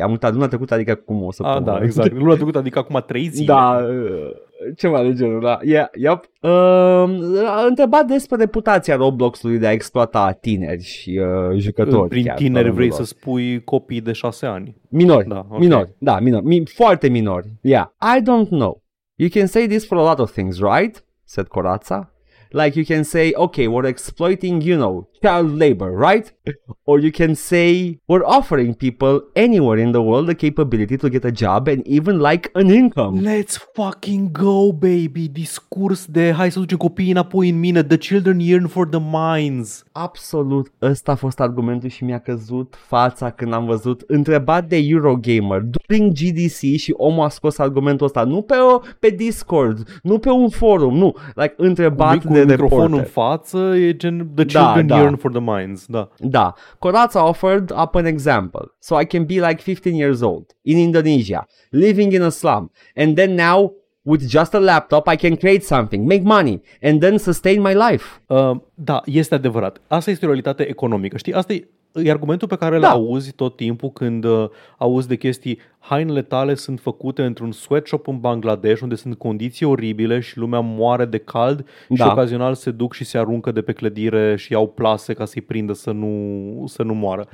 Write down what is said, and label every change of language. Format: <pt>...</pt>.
<ro>Am uitat luna trecută, adică cum o să pun. Da, exact. Luna trecută, adică acum 3 zile. Da, ceva de genul, da. Yep. A întrebat despre reputația Roblox-ului de a exploata tineri și jucători. Prin chiar, tineri vrei să spui copii de 6 ani? Minori, da, okay.</ro> <en>Minori, da, minori, foarte minori. Yeah. I don't know. You can say this for a lot of things, right? Said Corazza. Like you can say, okay, we're exploiting, you know, child labor, right? Or you can say, we're offering people anywhere in the world the capability to get a job and even like an income. Let's fucking go, baby.</en> <ro>Discurs de hai să ducem copiii înapoi în mine.</ro> <en>The children yearn for the mines.</en> <ro>Absolut. Ăsta a fost argumentul și mi-a căzut fața când am văzut. Întrebat de Eurogamer during GDC și omul a scos argumentul ăsta. Nu pe, pe Discord, nu pe un forum, nu. Like, întrebat cu de microfon reporter. În față e gen the children da, yearn da. For the mines. Da.</ro> <en>Da. Corazza offered up an example. So I can be like 15 years old in Indonesia, living in a slum. And then now, with just a laptop, I can create something, make money, and then sustain my life.</en> <ro>Da, este adevărat. Asta este realitatea economică. Știi, asta e argumentul pe care îl auzi tot timpul când auzi de chestii. Hainele tale sunt făcute într-un sweatshop în Bangladesh, unde sunt condiții oribile și lumea moare de cald și ocazional se duc și se aruncă de pe clădire și iau plase ca să-i prindă să nu moară.</ro>